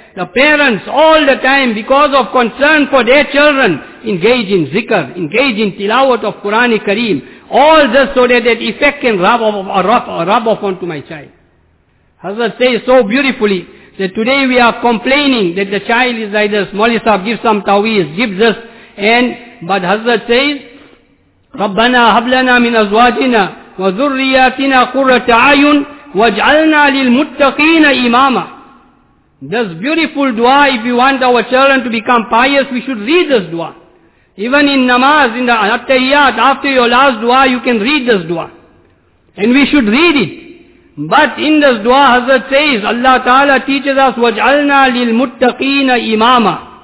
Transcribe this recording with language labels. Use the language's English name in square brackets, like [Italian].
[English] The parents all the time, because of concern for their children, engage in zikr, engage in tilawat of Qur'an-i Kareem. All this so that that effect can rub off onto my child. Hazrat says so beautifully, that today we are complaining that the child is like this, Mawlana Sahib, give some taweez, give this. But Hazrat says, [Arabic] رَبَّنَا هَبْلَنَا مِنْ أَزْوَاجِنَا وَذُرِّيَاتِنَا قُرَّةَ عَيُنْ وَاجْعَلْنَا لِلْمُتَّقِينَ إِمَامًا. [English] This beautiful dua, if we want our children to become pious, we should read this dua. Even in namaz, in the attahiyat, after your last dua, you can read this dua. And we should read it. But in this dua, Hazrat says, Allah Ta'ala teaches us, [Arabic] وَاجْعَلْنَا لِلْمُتَّقِينَ إِمَامًا.